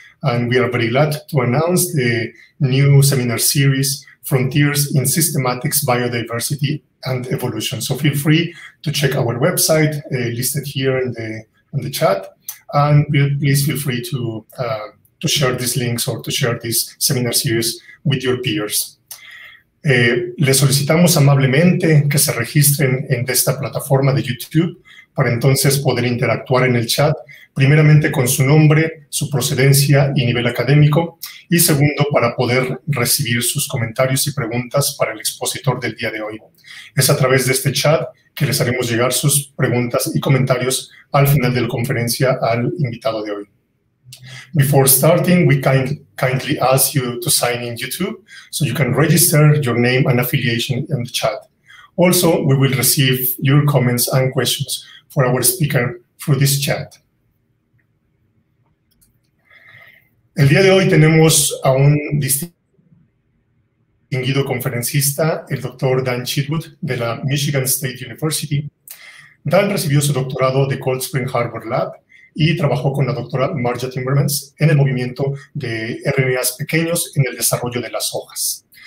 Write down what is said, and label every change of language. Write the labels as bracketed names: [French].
[English] And we are very glad to announce the new seminar series, Frontiers in Systematics, Biodiversity and Evolution. So feel free to check our website listed here in the chat. And please feel free to share these links or to share this seminar series with your peers. [Spanish] Les solicitamos amablemente que se registren en esta plataforma de YouTube para entonces poder interactuar en el chat, primeramente con su nombre, su procedencia y nivel académico, y segundo, para poder recibir sus comentarios y preguntas para el expositor del día de hoy. Es a través de este chat que les haremos llegar sus preguntas y comentarios al final de la conferencia al invitado de hoy. [English] Before starting, we kindly ask you to sign in YouTube so you can register your name and affiliation in the chat. Also, we will receive your comments and questions for our speaker through this chat. [Spanish] El día de hoy tenemos a un distinguido conferencista, el Dr. Dan Chitwood, de la Michigan State University. Dan recibió su doctorado de Cold Spring Harbor Lab y trabajó con la doctora Marja Timmermans en el movimiento de RNAs pequeños en el desarrollo de las hojas.